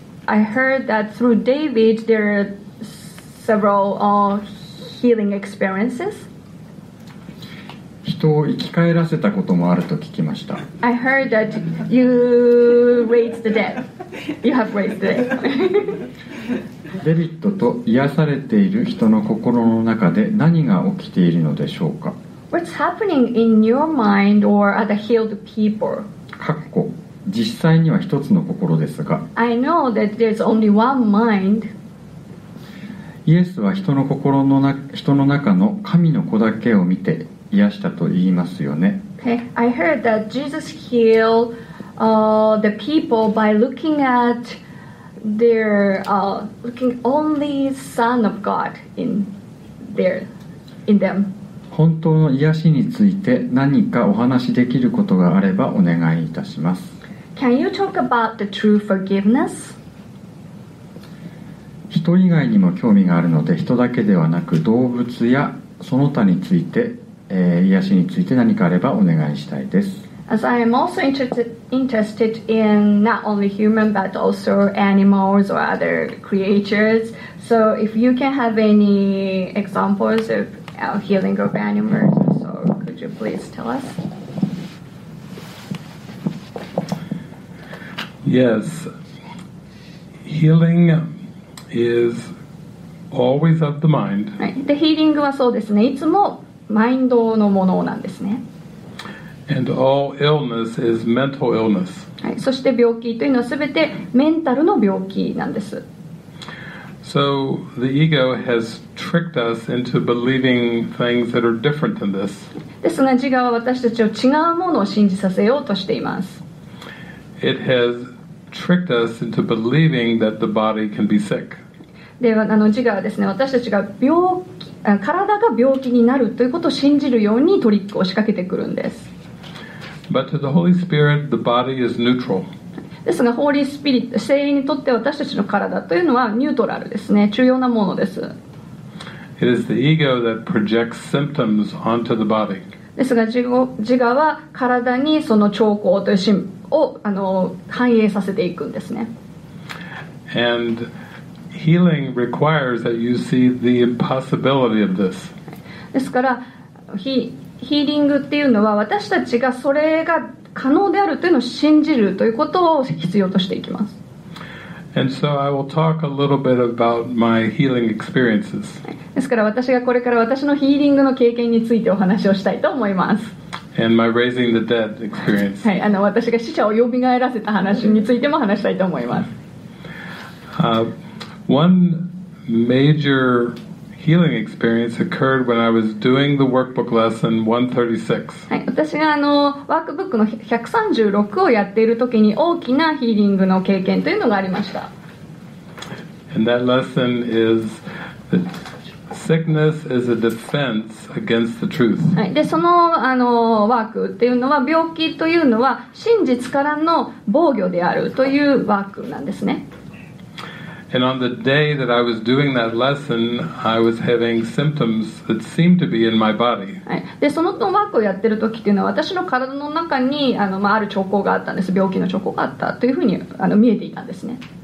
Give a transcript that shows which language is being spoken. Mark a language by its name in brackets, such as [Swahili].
[English] I heard that through David, there are several healing experiences. [Japanese] 人を生き返らせたこともあると聞きました。 [English] I heard that you raised the dead. You have raised it. [Japanese] デビットと癒されている人の心の中で何が起きているのでしょうか。 [English] What's happening in your mind or at the healed people? [Japanese] かっこ実際には一つの心ですが。 [English] I know that there's only one mind. [Japanese] イエスは人の中の神の子だけを見て癒したと言いますよね。 [English] Okay. I heard that Jesus healed. The people by looking at their looking only Son of God in them. [Japanese] 本当の癒しについて何かお話しできることがあればお願いいたします。 [English] Can you talk about the true forgiveness? [Japanese] 人以外にも興味があるので、人だけではなく動物やその他について、癒しについて何かあればお願いしたいです。 [English] As I am also interested in not only human but also animals or other creatures, so if you can have any examples of healing of animals, so could you please tell us? Yes, healing is always of the mind. Right. The healing [Japanese] はそうですね。いつもマインドのものなんですね。 [English] And all illness is mental illness. [Japanese] はい、そして病気というのはすべてメンタルの病気なんです。 [English] So the ego has tricked us into believing things that are different than this. [Japanese] ですが、自我は私たちを違うものを信じさせようとしています。 [English] It has tricked us into believing that the body can be sick. [Japanese] では、自我はですね、私たちが体が病気になるということを信じるようにトリックを仕掛けてくるんです。 [English] But to the Holy Spirit, the body is neutral. [Japanese] ですが、ホーリースピリット、聖霊にとって私たちの体というのはニュートラルですね、重要なものです。 [English] It is the ego that projects symptoms onto the body. [Japanese] ですが、自我は体にその兆候というシンを反映させていくんですね。 [English] And healing requires that you see the impossibility of this. [Japanese] ですから、ヒーリングっていうのは私たちがそれが可能であるというのを信じるということを必要としていきます。 [English] And so I will talk a little bit about my healing experiences. [Japanese] ですから私がこれから私のヒーリングの経験についてお話をしたいと思います。 [English] And my raising the dead experience. [Japanese] はい、私が死者を蘇らせた話についても話したいと思います。 [English] One major healing experience occurred when I was doing the workbook lesson 136. [Japanese] はい、私があのワークブックの136をやっている時に大きなヒーリングの経験というのがありました。 [English] And that lesson is that sickness is a defense against the truth. [Japanese] はい、で、その、あの、ワークっていうのは、病気というのは真実からの防御であるというワークなんですね。 [English] And on the day that I was doing that lesson, I was having symptoms that seemed to be in my body. [Japanese] で、そのワークをやってる時っていうのは、私の体の中に、あの、まあ、ある兆候があったんです。病気の兆候があったというふうに、あの、見えていたんですね。